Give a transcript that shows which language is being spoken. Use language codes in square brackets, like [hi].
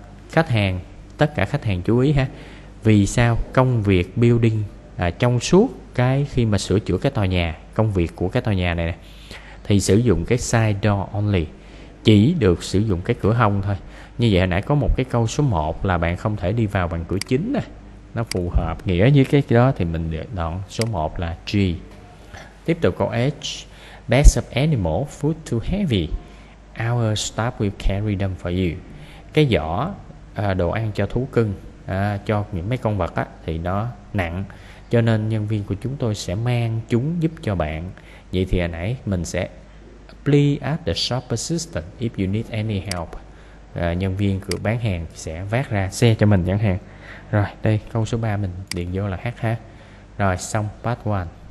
[vi] Khách hàng, tất cả khách hàng chú ý ha. Vì sao công việc building trong suốt cái khi mà sửa chữa cái tòa nhà, công việc của cái tòa nhà này nè, thì sử dụng cái [en] side door only, [vi] chỉ được sử dụng cái cửa hông thôi. Như vậy hồi nãy có một cái câu số 1 là bạn không thể đi vào bằng cửa chính nè, nó phù hợp nghĩa với cái đó thì mình đoạn số 1 là G. Tiếp tục câu H. [en] Bags of animal food too heavy, our staff will carry them for you. [vi] Cái giỏ đồ ăn cho thú cưng, cho những mấy con vật á, thì nó nặng, cho nên nhân viên của chúng tôi sẽ mang chúng giúp cho bạn. Vậy thì hồi nãy mình sẽ [en] please ask the shop assistant if you need any help. [vi] Nhân viên cửa bán hàng sẽ vác ra xe cho mình chẳng hạn. Rồi đây câu số 3 mình điền vô là H ha. Rồi xong part 1.